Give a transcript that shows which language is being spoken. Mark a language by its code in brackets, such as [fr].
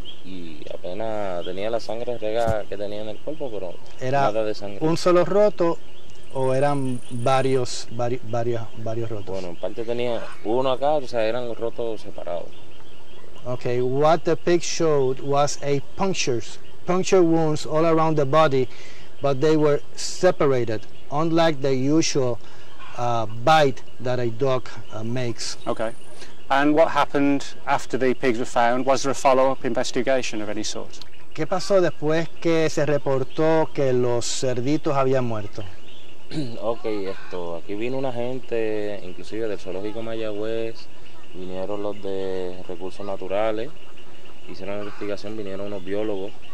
[es] y apenas tenía la sangre regada que tenía en el cuerpo, pero era nada de sangre. ¿Un solo roto o eran varios rotos? Bueno, en parte tenía uno acá, o sea, eran los rotos separados. [en] Okay, what the pig showed was a puncture wounds all around the body, but they were separated, unlike the usual bite that a dog makes. Okay. And what happened after the pigs were found? Was there a follow-up investigation of any sort? [es] ¿Qué pasó después que se reportó que los cerditos habían muerto? Okay, esto. Aquí vino una gente, inclusive del zoológico Mayagüez, vinieron los de recursos naturales, hicieron una investigación, vinieron unos biólogos.